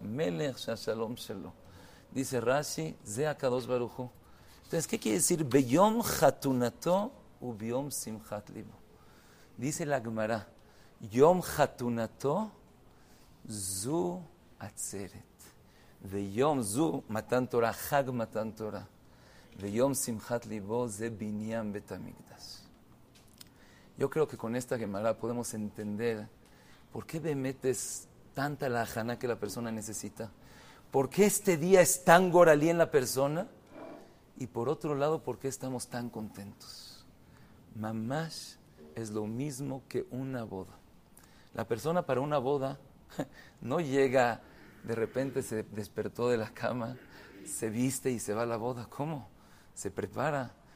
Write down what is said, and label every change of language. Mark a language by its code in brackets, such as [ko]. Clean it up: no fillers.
[he] Melech shashalom shelo. [es] Dice Rashi, [he] ze akadosh baruch hu. [es] Entonces, ¿qué quiere decir? [he] Beyom chatunato ubiyom simchat libo. [es] Dice la Gemara, [he] Yom chatunato זו עצרת. ויום זו מתן תורה, חג מתן תורה. ויום שמחת ליבו זה בניין בית המקדש. [es] Yo creo que con esta Gemara podemos entender por qué באמת es tanta la hachana que la persona necesita. Por qué este día es tan goralí en la persona. Y por otro lado, por qué estamos tan contentos. Mamash es lo mismo que una boda. La persona para una boda no llega, de repente se despertó de la cama, se viste y se va a la boda. ¿Cómo? Se prepara.